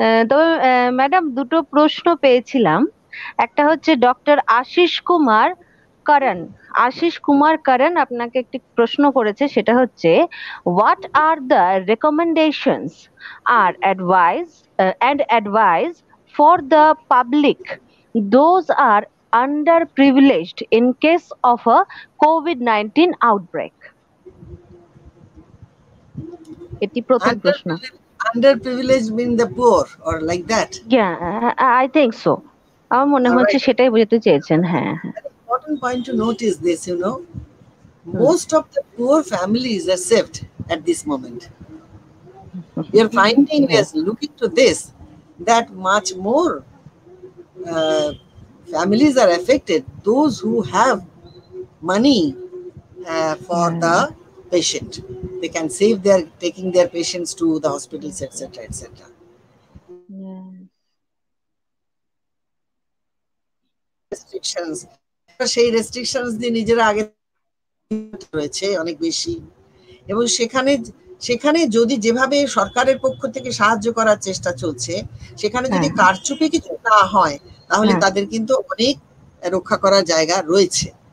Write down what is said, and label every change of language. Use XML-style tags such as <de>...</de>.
<bn>তবে ম্যাডাম দুটো প্রশ্ন পেয়েছিলাম, একটা হচ্ছে ডক্টর আশিস কুমার করণ, আশিস কুমার করণ আপনাকে একটি প্রশ্ন করেছে, সেটা হচ্ছে</bn> <en>what are the recommendations are advice and advice for the public those are underprivileged in case of a COVID-19 outbreak,</en> <bn>এটি প্রথম প্রশ্ন।</bn> <en>Underprivilege mean the poor or like that? Yeah I think so,</en> <bn>আমার মনে হচ্ছে সেটাই বুঝাতে চেয়েছেন। হ্যাঁ,</bn> <en>important point to note is this, you know, most of the poor families are saved at this moment. We are finding, as looking to this, that much more families are affected, those who have money for the patient, they can save their taking their patients to the hospitals, etc., etc.</en> <bn>Restrictions, সেই restrictions দিয়ে নিজেরা আগে রয়েছে অনেক বেশি, এবং সেখানে সেখানে যদি যেভাবে সরকারের পক্ষ থেকে সাহায্য করার চেষ্টা চলছে, সেখানে যদি কারচুপি কিছু না হয় তাহলে তাদের কিন্তু অনেক রক্ষা করার জায়গা রয়েছে।</bn>